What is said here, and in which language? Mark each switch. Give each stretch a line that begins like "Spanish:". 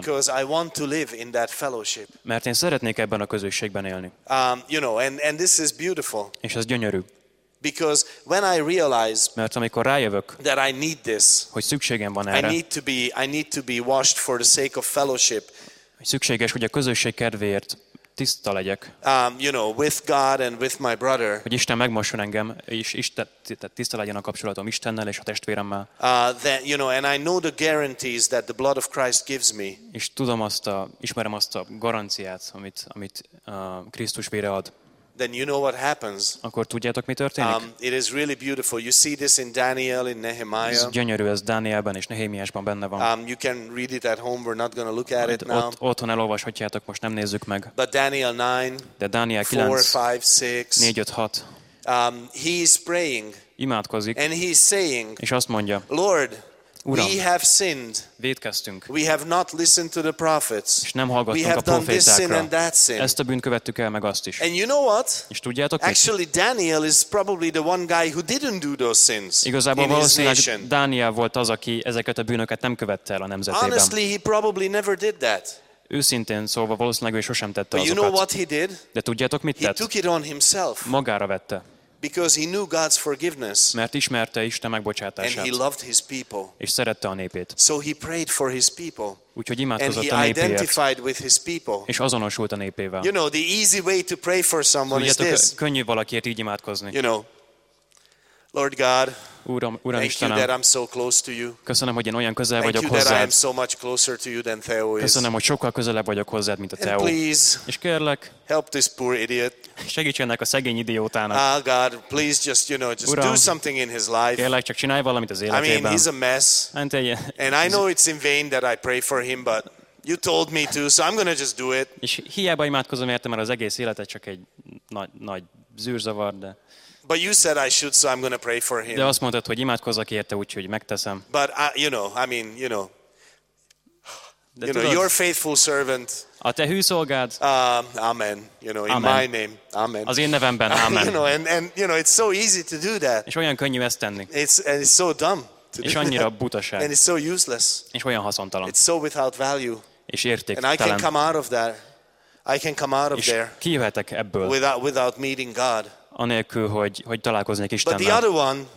English: Because I want to live in that fellowship.
Hungarian: Mert én szeretnék ebben a közösségben élni.
English: You know, and this is beautiful.
Hungarian: És ez gyönyörű.
English: Because when I realize,
Hungarian: mert amikor rájövök,
English: that I need this,
Hungarian: hogy szükségem van erre,
English: I need to be washed for the sake of fellowship.
Hungarian: Szükséges, hogy a közösség kedvéért tiszta legyek.
English: You know, with God and with my brother.
Hungarian: Hogy Isten megmosson engem, és Isten tiszta legyen a kapcsolatom Istennel és a testvéremmel.
English: You know, and I know the guarantees that the blood of Christ gives me.
Hungarian: És tudom azt a, ismerem azt a garanciát, amit Krisztus vére ad.
English: Then you know what happens.
Hungarian: Akkor tudjátok, mi történik?
English: It is really beautiful. You see this in Daniel, in Nehemiah.
Hungarian: Ez gyönyörű, ez Dánielben és Nehémiásban benne van.
English: You can read it at home. We're not going to look at it now.
Hungarian: Otthon elolvashatjátok, most nem nézzük meg.
English: But Daniel 9.
Hungarian: De Dániel 9.
English: 4, 5, 6.
Hungarian: 4, 5, 6.
English: He is praying.
Hungarian: Imádkozik.
English: And he's saying.
Hungarian: És azt mondja.
English: Lord.
Hungarian: Uram,
English: we have sinned.
Hungarian: Vétkeztünk.
English: We have not listened to the prophets.
Hungarian: És nem hallgattunk a profétákra.
English: We have done this sin and that sin.
Hungarian: Ezt a bűnt követtük el, meg azt is.
English: And you know what?
Hungarian: És tudjátok mit?
English: Actually, Daniel is probably the one guy who didn't do those sins.
Hungarian: Igazából valószínűleg Dániel volt az, aki ezeket a bűnöket nem követte el a nemzetében.
English: Honestly, he probably never did that.
Hungarian: Őszintén szólva, valószínűleg ő sosem tette azokat.
English: But you know what he did?
Hungarian: De tudjátok mit tett?
English: He took it on himself.
Hungarian: Magára vette.
English: Because he knew God's forgiveness.
Hungarian: Mert ismerte Isten megbocsátását.
English: And he loved his people.
Hungarian: És szerette a népét.
English: So he prayed for his people.
Hungarian: Úgyhogy imádkozott a népéért.
English: And he identified with his people.
Hungarian: És azonosult a népével.
English: You know, the easy way to pray for someone is this.
Hungarian: Könnyű valakiért így imádkozni.
English: You know, Lord God,
Hungarian: Uram Istenem,
English: thank you that I'm so close to you.
Hungarian: Köszönöm, hogy én olyan közel vagyok hozzád.
English: Thank you that I am so much closer to you than Theo is.
Hungarian: Köszönöm, hogy sokkal közelebb vagyok hozzád, mint a Theo.
English: And please,
Hungarian: és kérlek,
English: help this poor idiot.
Hungarian: Segítsen ennek a szegény idiótának.
English: Ah, God, please just, you know, just
Hungarian: Uram,
English: do something in his life.
Hungarian: Kérlek, csak csinálj valamit az életében.
English: I mean, he's a mess. And I know it's in vain that I pray for him, but you told me to, so I'm gonna just do it.
Hungarian: És hiába imádkozom érte, mert az egész élete csak egy nagy zűrzavar, de
English: but you said I should, so I'm going to pray for him.
Hungarian: De azt mondtad, hogy imádkozzak érte, úgyhogy megteszem.
English: But you know, your faithful servant.
Hungarian: A te hű szolgád.
English: Amen. You know, in
Hungarian: amen.
English: My name. Amen.
Hungarian: Az én nevemben. Amen.
English: You know, and you know, it's so easy to do that.
Hungarian: És olyan könnyű ezt tenni.
English: It's so dumb.
Hungarian: És annyira butaság.
English: And it's so useless.
Hungarian: És olyan haszontalan.
English: It's so without value.
Hungarian: És értéktelen.
English: And I can come out of that. I can come out of there.
Hungarian: És kijöhetek ebből.
English: Without meeting God.
Hungarian: Anélkül, hogy találkoznék Istennel.
English: But the other one,